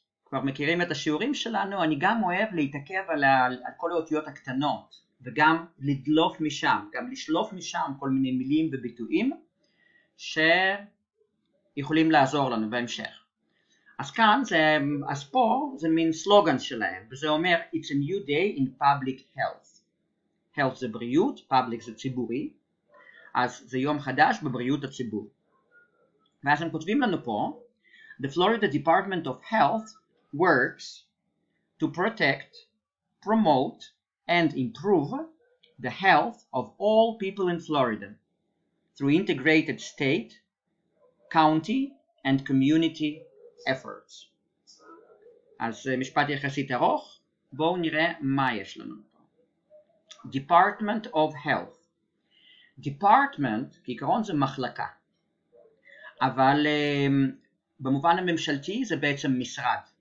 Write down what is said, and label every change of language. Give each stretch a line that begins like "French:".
Hebrew: כבר מכירים את השיעורים שלנו, אני גם אוהב להתעכב על, על כל האותיות הקטנות, וגם לדלוף משם, גם לשלוף משם כל מיני מילים וביטויים, שיכולים לעזור לנו בהמשך. אז כאן, אז פה זה מין סלוגן שלהם, וזה אומר,
English: It's a new day in public health.
Hebrew: Health זה בריאות, public זה ציבורי, אז זה יום חדש בבריאות הציבור. ואז הם כותבים לנו פה,
English: The Florida Department of Health works to protect, promote, and improve the health of all people in Florida through integrated state, county, and community efforts.
Hebrew: אז משפט יחסית ארוך, בואו נראה מה יש לנו פה. Department of Health. Department, כעיקרון זה מחלקה, אבל במובן הממשלתי זה בעצם משרד.